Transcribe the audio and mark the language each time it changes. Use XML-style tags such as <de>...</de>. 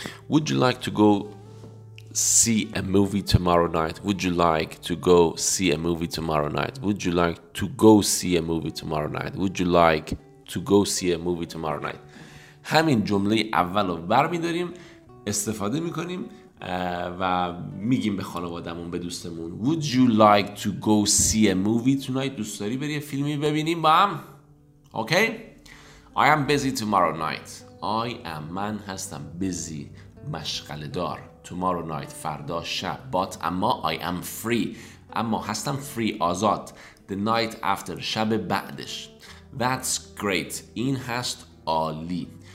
<en>Would you like to go see a movie tomorrow night? Would you like to go see a movie tomorrow night? Would you like to go see a movie tomorrow night? Would you like to go see a movie tomorrow night?</en> <fa>همین جمله اول رو برمی‌داریم، استفاده می‌کنیم و میگیم به خانوادمون، به دوستمون.</fa> <en>Would you like to go see a movie tonight?</en> <fa>دوست داری بری یه فیلمی ببینیم با هم؟</fa> <en>Okay? I am busy tomorrow night. I am</en> <fa>من هستم</fa> <en>busy،</en> <fa>مشغله دار.</fa> <en>Tomorrow night،</en> <fa>فردا شب.</fa> <en>But</en> <fa>اما</fa> <en>I am free،</en> <fa>اما هستم</fa> <en>free،</en> <fa>آزاد.</fa> <en>The night after،</en> <fa>شب بعدش.</fa> <en>That's great،</en> <fa>این هست عالی.</fa>